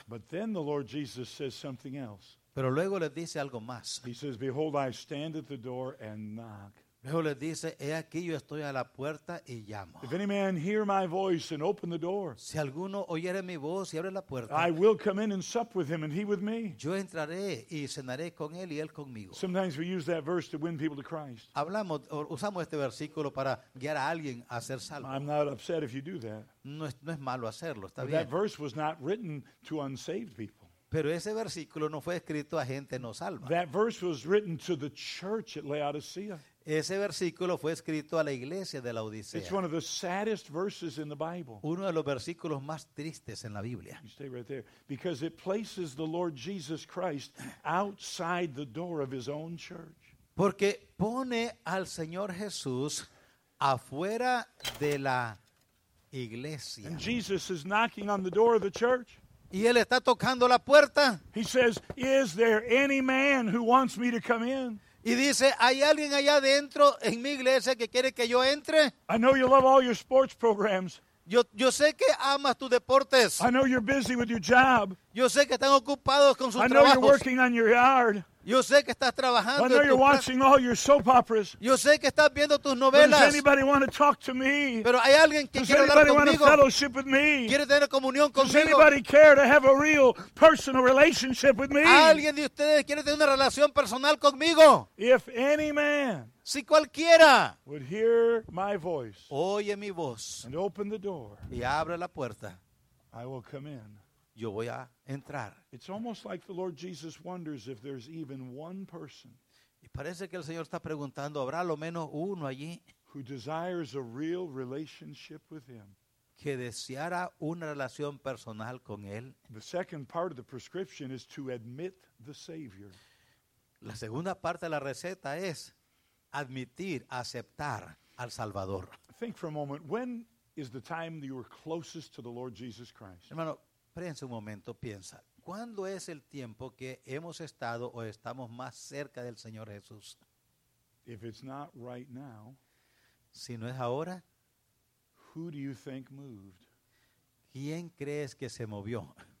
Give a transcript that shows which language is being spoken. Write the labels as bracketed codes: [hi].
[en] But then the Lord Jesus says something else. [es] Pero luego les dice algo más. [en] He says, behold, I stand at the door and knock. [es] Luego les dice, he aquí yo estoy a la puerta y llamo. [en] If any man hear my voice and open the door, [es] si alguno oyere mi voz y abre la puerta, [en] I will come in and sup with him and he with me. [es] Yo entraré y cenaré con él y él conmigo. [en] Sometimes we use that verse to win people to Christ. [es] Hablamos, usamos este versículo para guiar a alguien a ser salvo. [en] I'm not upset if you do that. [es] No es malo hacerlo, está [en] but [es] bien. [en] That verse was not written to unsaved people. [es] Pero ese versículo no fue escrito a gente no salva. [en] That verse was written to the church at Laodicea. [es] Ese versículo fue escrito a la iglesia de la Odisea. [en] It's one of the saddest verses in the Bible. [es] Uno de los versículos más tristes en la Biblia. [en] You stay right there. Because it places the Lord Jesus Christ outside the door of his own church. [es] Porque pone al Señor Jesús afuera de la iglesia. [en] And Jesus is knocking on the door of the church. [es] Y él está tocando la puerta. [en] He says, is there any man who wants me to come in? [es] Y dice, ¿hay alguien allá adentro en mi iglesia que quiere que yo entre? [en] I know you love all your sports programs. [es] Yo sé que amas tus deportes. [en] I know you're busy with your job. [es] Yo sé que están ocupados con sus trabajos. [en] I know you're working on your yard. [es] Yo sé que estás trabajando. [en] I know you're watching all your soap operas. [es] Yo sé que estás viendo tus novelas. [en] Does anybody want to talk to me? [es] Pero hay alguien que [en] Does [es] quiere [en] anybody [es] hablar conmigo? [en] Want to fellowship with me? [es] ¿Quiere tener comunión [en] Does [es] conmigo? [en] Anybody care to have a real personal relationship with me? [es] ¿Alguien de ustedes quiere tener una relación personal conmigo? [en] If any man [es] si cualquiera [en] would hear my voice [es] oye mi voz [en] and open the door, [es] y abre la puerta, [en] I will come in. [es] Yo voy a entrar. [en] It's almost like the Lord Jesus wonders if there's even one person. [es] Y parece que el Señor está preguntando, ¿habrá lo menos uno allí? [en] Who desires a real relationship with him. [es] Que deseara una relación personal con él. [en] The second part of the prescription is to admit the Savior. [es] La segunda parte de la receta es admitir, aceptar al Salvador. [en] Think for a moment, when is the time that you were closest to the Lord Jesus Christ? [es] Hermano, prense un momento, piensa. ¿Cuándo es el tiempo que hemos estado o estamos más cerca del Señor Jesús? [en] If it's not right now, [es] si no es ahora, [en] who do you think moved? [es] ¿Quién crees que se movió?